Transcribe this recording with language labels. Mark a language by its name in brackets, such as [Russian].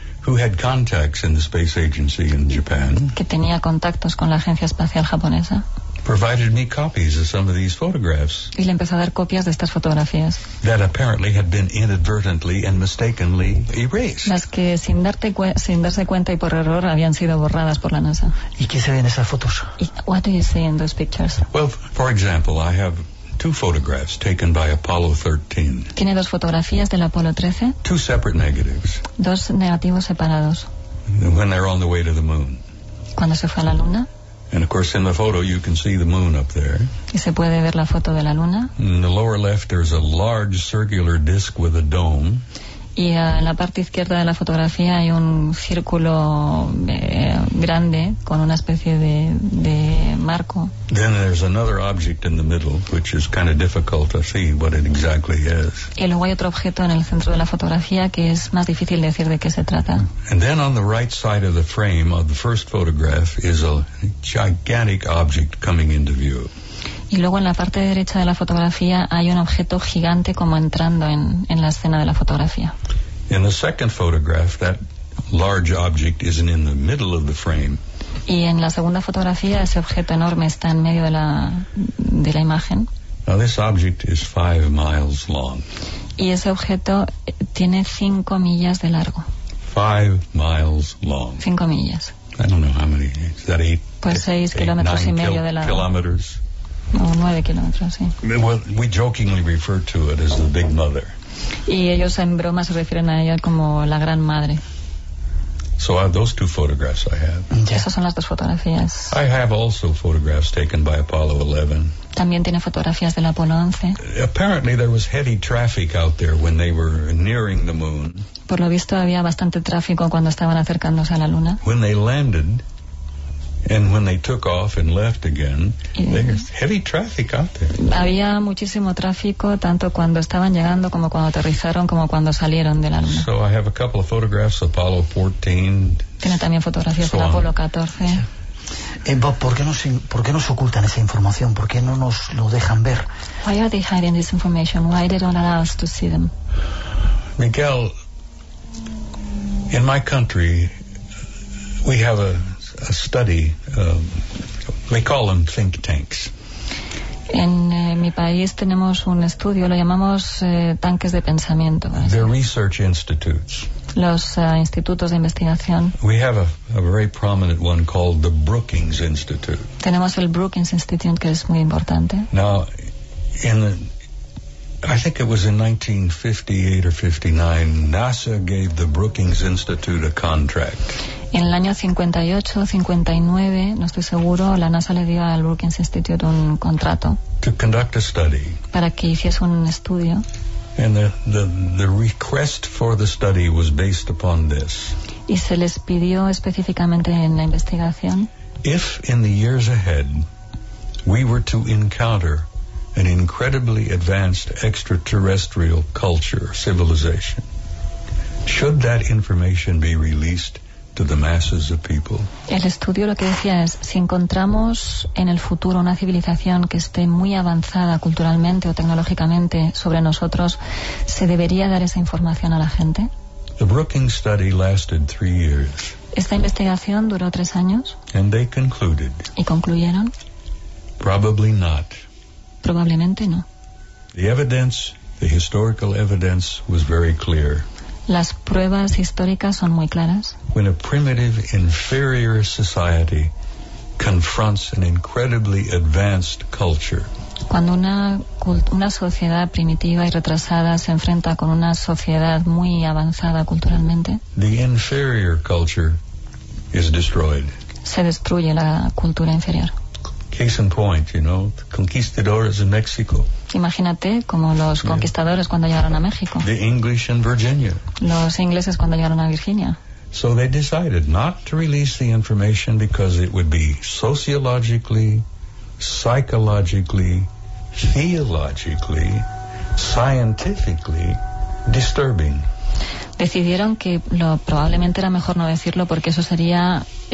[English] Who had contacts in the space agency in Japan. [Spanish] Que tenía contactos con la agencia espacial japonesa. [English] Provided me copies of some of these photographs. [Spanish] Y le empezó a dar copias de estas fotografías. [English] That apparently had been inadvertently and mistakenly erased. [Spanish] Las que sin darse cuenta y por error habían sido borradas por la NASA. ¿Y qué se ve en esas fotos? [English] What do you see in those pictures? Well, for example, I have two photographs taken by Apollo 13. [Spanish] Tiene dos fotografías del Apolo 13. [English] Two separate negatives. [Spanish] Dos negativos separados. [English] When they're on the way to the moon. [Spanish] Cuando se fue a la luna. [English] And of course, in the photo, you can see the moon up there. [Spanish] ¿Y se puede ver la foto de la luna? [English] In the lower left, there's a large circular disc with a dome. [Spanish] Y en la parte izquierda de la fotografía hay un círculo grande con una especie de marco. [English] Then there's another object in the middle, which is kind of difficult to see what it exactly is. [Spanish] Y luego hay otro objeto en el centro de la fotografía que es más difícil decir de qué se trata. [English] And then on the right side of the frame of the first photograph is a gigantic object coming into view. [Spanish] Y luego en la parte derecha de la fotografía hay un objeto gigante como entrando en la escena de la fotografía. [English] In the second photograph, that large object isn't in the middle of the frame. [Spanish] Y en la segunda fotografía ese objeto enorme está en medio de la imagen. [English] Now this object is 5 miles long. [Spanish] Y ese objeto tiene 5 millas de largo. [English] 5 miles long. [Spanish] 5 millas. [English] I don't know how many. Is that 8? [Spanish] Pues 6 kilómetros y medio de largo. [English] Kilometers. [Spanish] O 9 kilómetros, sí. [English] Well, we jokingly refer to it as the Big Mother. [Spanish] Y ellos en broma se refieren a ella como la Gran Madre. [English] So those two photographs I have. [Spanish] Yeah. Esas son las dos fotografías. [English] I have also photographs taken by Apollo 11. [Spanish] También tiene fotografías del Apolo 11. [English] Apparently there was heavy traffic out there when they were nearing the moon. [Spanish] Por lo visto había bastante tráfico cuando estaban acercándose a la luna. [English] When they landed. And when they took off and left again, there's heavy traffic out there. [Spanish] Había muchísimo tráfico tanto cuando estaban llegando como cuando aterrizaron como cuando salieron de la luna. [English] So I have a couple of photographs of Apollo 14. [Spanish] Tiene también fotografías [English] so [Spanish] de Apolo 14. Bob, ¿por qué nos ocultan esa información? ¿Por qué no nos lo dejan ver? [English] Why are they hiding this information? Why they don't allow us to see them? Miguel, in my country, we have a study, they call them think tanks. [Spanish] En mi país tenemos un estudio, lo llamamos tanques de pensamiento. [English] They're research institutes. [Spanish] Los institutos de investigación. [English] We have a very prominent one called the Brookings Institute. [Spanish] Tenemos el Brookings Institute, que es muy importante. [English] Now, I think it was in 1958 or 59, NASA gave the Brookings Institute a contract. [Spanish] En el año 58-59, no estoy seguro, la NASA le dio al Brookings Institute un contrato. [English] To conduct a study. [Spanish] Para que hiciese un estudio. [English] And the request for the study was based upon this. [Spanish] Y se les pidió específicamente en la investigación. [English] If in the years ahead we were to encounter an incredibly advanced extraterrestrial culture, civilization, should that information be released to the masses of people? [Spanish] El estudio lo que decía es, si encontramos en el futuro una civilización que esté muy avanzada culturalmente o tecnológicamente sobre nosotros, ¿se debería dar esa información a la gente? [English] The Brookings study lasted 3 years. [Spanish] Esta investigación duró 3 años. [English] And they concluded. [Spanish] ¿Y concluyeron? [English] Probably not. [Spanish] Probablemente no. [English] The evidence, the historical evidence was very clear. [Spanish] Las pruebas históricas son muy claras. [English] When a primitive inferior society confronts an incredibly advanced culture. [Spanish] Cuando una sociedad primitiva y retrasada se enfrenta con una sociedad muy avanzada culturalmente. [English] The inferior culture is destroyed. [Spanish] Se destruye la cultura inferior. [English] Case in point, you know, the conquistadors in Mexico. [Spanish] Imagínate como los conquistadores cuando llegaron a México. [English] The English in Virginia. [Spanish] Los ingleses cuando llegaron a Virginia. [English] So they decided not to release the information because it would be sociologically, psychologically, theologically, scientifically disturbing. [Spanish] Decidieron que probablemente era mejor no decirlo porque eso sería